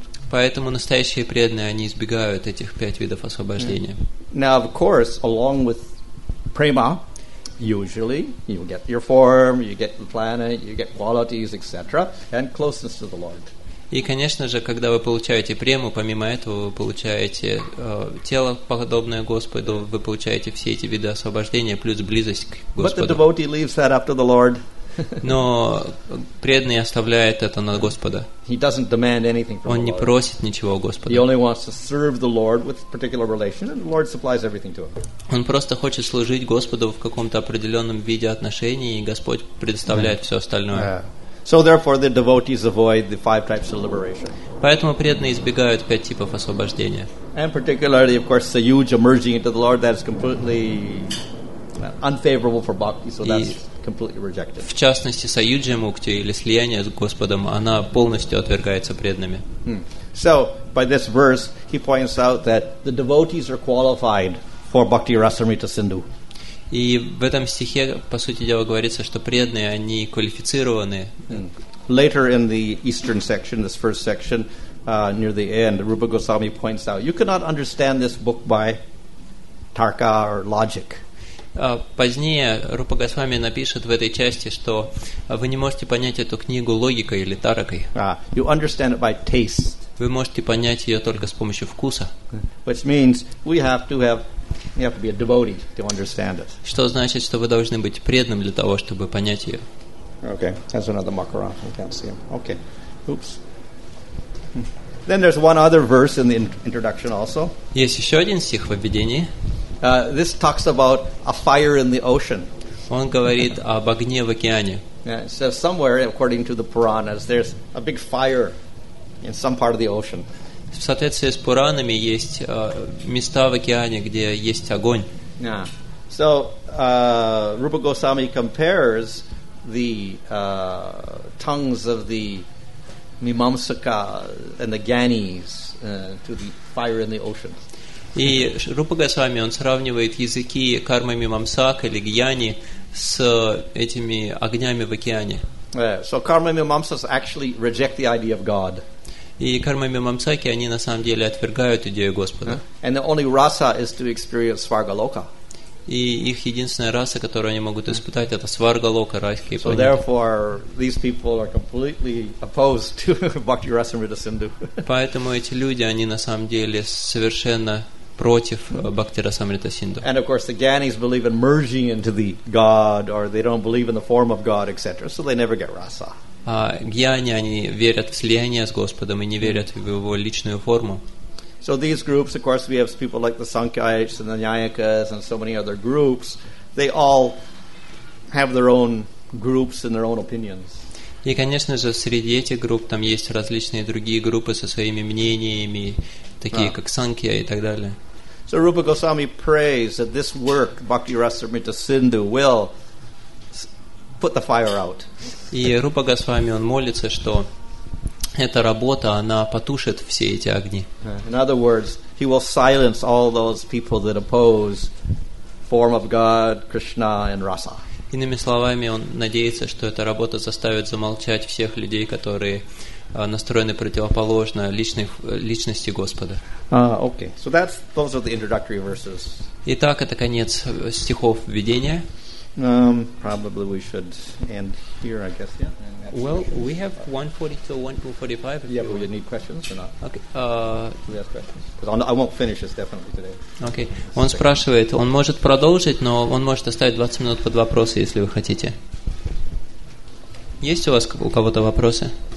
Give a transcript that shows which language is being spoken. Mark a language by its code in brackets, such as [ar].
[ru] Поэтому настоящие преданные, они избегают этих пять видов освобождения. [en] Now, of course, along with prema, usually, you get your form, you get the planet, you get qualities, etc., and closeness to the Lord. [ru] И, конечно же, когда вы получаете прему, помимо этого, вы получаете тело, подобное Господу, вы получаете все эти виды освобождения, плюс близость к Господу. [en] But the devotee leaves that up to the Lord. [ru] Но преданный оставляет это на Господа. [en] He doesn't demand anything from the Lord. [ru] Он не просит ничего у Господа. [en] He only wants to serve the Lord with a particular relation, and the Lord supplies everything to him. [ru] Он просто хочет служить Господу в каком-то определенном виде отношений, и Господь предоставляет все остальное. [en] So therefore, the devotees avoid the five types of liberation. [ru] Поэтому преданные избегают пять типов освобождения. [en] And particularly, of course, the huge emerging into the Lord that is completely unfavorable for bhakti. So that's completely rejected. [ru] В частности, саюджа мукти или слияние с Господом, она полностью отвергается преданными. [en] So, by this verse, he points out that the devotees are qualified for bhakti rasamrita sindhu. [ru] И в этом стихе, по сути дела, говорится, что преданные, они квалифицированы. [en] Later in the eastern section, this first section, near the end, Rupa Goswami points out, you cannot understand this book by tarka or logic. [ru] Позднее Рупа Госвами напишет в этой части, что вы не можете понять эту книгу логикой или таракой. [en] You understand it by taste. [ru] Вы можете понять ее только с помощью вкуса. [en] Which means we have to have, you have to be a devotee to understand it. [ru] Что значит, что вы должны быть преданным для того, чтобы понять ее. [en] Okay, that's another makara. I can't see him. Okay, oops. Then there's one other verse in the introduction also. [ru] Есть еще один стих в введении. [en] This talks about a fire in the ocean. [ru] Он говорит об огне в океане. [en] Yeah, so somewhere, according to the Puranas, there's a big fire in some part of the ocean. [ru] В соответствии с Пуранами есть места в океане, где есть огонь. [en] Yeah. So Rupa Goswami compares the tongues of the Mimamsaka and the Gyanis to the fire in the ocean. [ru] И Рупа Госвами, он сравнивает языки кармы Мимамсак или Гьяни с этими огнями в океане. [en] So karma mimamsas actually reject the idea of God. [ru] И кармы Мимамсаки, они на самом деле отвергают идею Господа. [en] And the only rasa is to experience Svargaloka. [ru] И их единственная раса, которую они могут испытать, это Сваргалока, райские планеты. [en] So [ru] планеты. [en] Therefore, these people are completely opposed to Bhakti Rasamrita Sindhu. [ru] Поэтому эти люди, они на самом деле совершенно против Бхакти Расамрита Синдху. [en] And of course, the Gyanis believe in merging into the God, or they don't believe in the form of God, etc. So they never get rasa. [ru] А Гьяни, они верят в слияние с Господом и не верят в его личную форму. [en] So these groups, of course, we have people like the Sankhyas and the Nyayakas and so many other groups. They all have their own groups and their own opinions. [ru] И, конечно же, среди этих групп там есть различные другие группы со своими мнениями, такие как Sankhya и так далее. [en] So Rupa Goswami prays that this work, Bhakti Rasamrita Sindhu, will put the fire out. [ru] И Рупа Госвами, он молится, что эта работа, она потушит все эти огни. [en] In other words, he will silence all those people that oppose form of God, Krishna and Rasa. [ru] Иными словами, он надеется, что эта работа заставит замолчать всех людей, которые настроены противоположно личности Господа. [en] Okay. So that's those are the introductory verses. [ru] Итак, это конец стихов введения. [en] Probably we should end here, I guess, yeah. Well, we have 142, 145. Yeah, but we need questions or not? Okay. We ask questions. Because I won't finish this definitely today. Okay. [ru] Он спрашивает, он может продолжить, но он может оставить 20 минут под вопросы, если вы хотите. Есть у вас у кого-то вопросы?